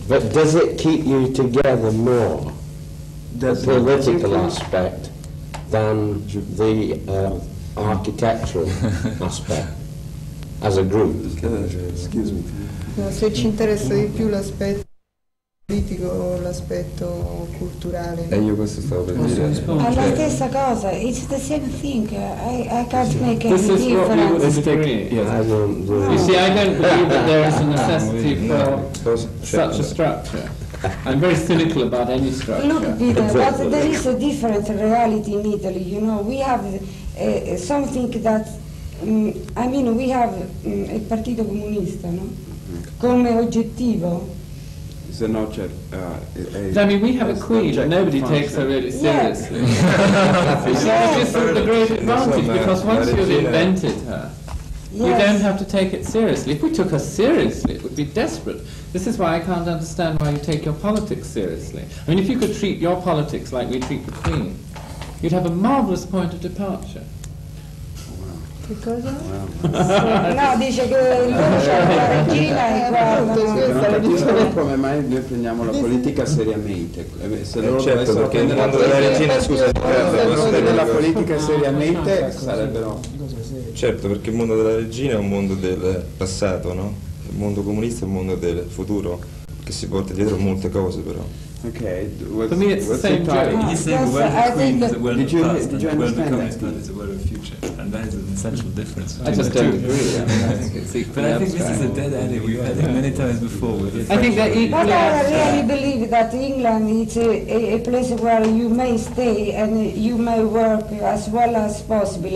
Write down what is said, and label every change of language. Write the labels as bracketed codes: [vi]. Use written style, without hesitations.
[en] But does it keep you together more, the political aspect, than the architectural aspect as a group? Excuse me. [it] Se ci interessa di più l'aspetto politico o l'aspetto culturale. E io questo stavo per dire. È la stessa cosa. [en] It's the same thing. I can't make any difference. This is what we would stick. You see, I don't believe that there is a necessity for such a structure. I'm very cynical about any structure. Look, Peter, but there is a different reality in Italy. You know, we have something that we have il Partito Comunista, no? [it] Come oggettivo. [en] We have a queen and nobody takes her really seriously. This is the great advantage, because once you've invented her, you don't have to take it seriously. If we took her seriously, it would be desperate. This is why I can't understand why you take your politics seriously. I mean, if you could treat your politics like we treat the queen, you'd have a marvelous point of departure. [it] Che cosa? No, dice che c'è la regina e guarda. Non è come mai noi prendiamo la politica seriamente. Se loro dovessero prendere la regina, scusa, prendere la politica seriamente sarebbero... Certo, perché il mondo della regina è un mondo del passato, no? Il mondo comunista è un mondo del futuro, che si porta dietro molte cose, però. [en] Ok, what's the same joke? He's saying the world of the queen is the world of the past, and the world of man is the world of the future. And that is an essential difference. I just don't agree. But I think this is a dead alley. We've had it many times before. With I think that England... But I really believe that England is a place where you may stay and you may work as well as possible.